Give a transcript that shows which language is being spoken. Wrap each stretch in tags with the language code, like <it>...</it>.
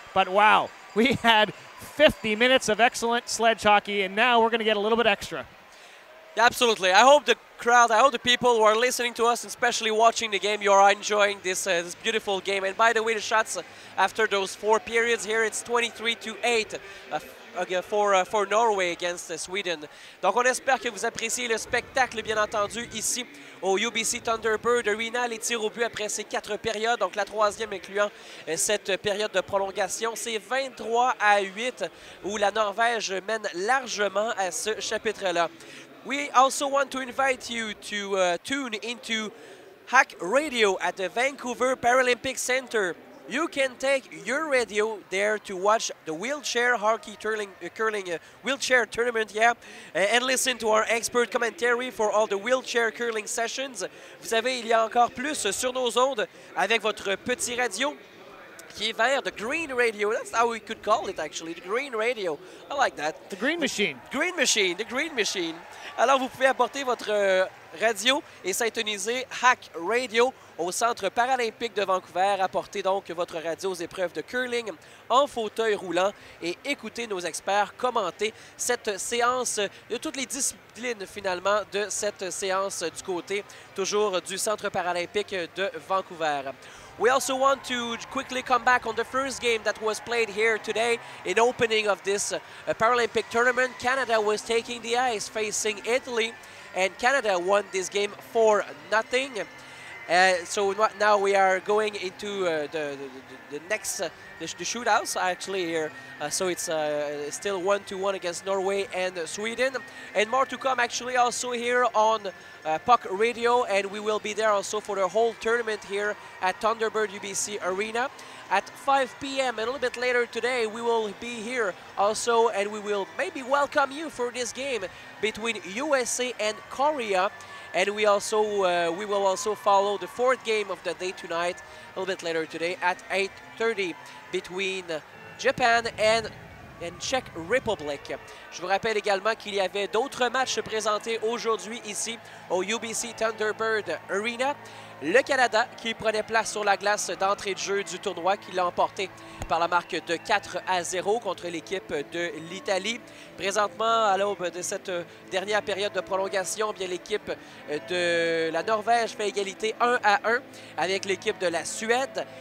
<en>But wow, we had 50 minutes of excellent sledge hockey, and now we're going to get a little bit extra. Absolutely. I hope the crowd, I hope the people who are listening to us, especially watching the game, you are enjoying this this beautiful game. And by the way, the shots after those four periods here, it's 23-8 for Norway against Sweden.</en> <fr>Donc on espère que vous appréciez le spectacle, bien entendu, ici au UBC Thunderbird Arena. Les tirs au but après ces quatre périodes, donc la troisième incluant cette période de prolongation, c'est 23-8 où la Norvège mène largement à ce chapitre-là.</fr> <en>We also want to invite you to tune into Hack Radio at the Vancouver Paralympic Center. You can take your radio there to watch the wheelchair hockey wheelchair tournament, yeah, and listen to our expert commentary for all the wheelchair curling sessions.</en> <fr>Vous savez, il y a encore plus sur nos ondes avec votre petit radio qui est vert,</fr> <en>the green radio. That's how we could call it, actually, the green radio. I like that. The green machine. Green machine, the green machine.</en> <fr>Alors, vous pouvez apporter votre radio et s'intoniser Hack Radio au Centre paralympique de Vancouver. Apportez donc votre radio aux épreuves de curling en fauteuil roulant et écoutez nos experts commenter cette séance de toutes les disciplines, finalement, de cette séance du côté, toujours du Centre paralympique de Vancouver.</fr> <en>We also want to quickly come back on the first game that was played here today in opening of this Paralympic tournament. Canada was taking the ice facing Italy, and Canada won this game 4-0. So now we are going into the next shootouts, actually, here. So it's still 1-1 against Norway and Sweden. And more to come, actually, also here on Puck Radio. And we will be there also for the whole tournament here at Thunderbird UBC Arena. At 5 p.m. a little bit later today, we will be here also. And we will maybe welcome you for this game between USA and Korea. And we also we will also follow the fourth game of the day tonight, a little bit later today, at 8:30 between Japan and Czech Republic.</en> <fr>Je vous rappelle également qu'il y avait d'autres matchs présentés aujourd'hui ici au UBC Thunderbird Arena. le Canada qui prenait place sur la glace d'entrée de jeu du tournoi, qui l'a emporté par la marque de 4-0 contre l'équipe de l'Italie. Présentement, à l'aube de cette dernière période de prolongation, bien l'équipe de la Norvège fait égalité 1-1 avec l'équipe de la Suède.</fr>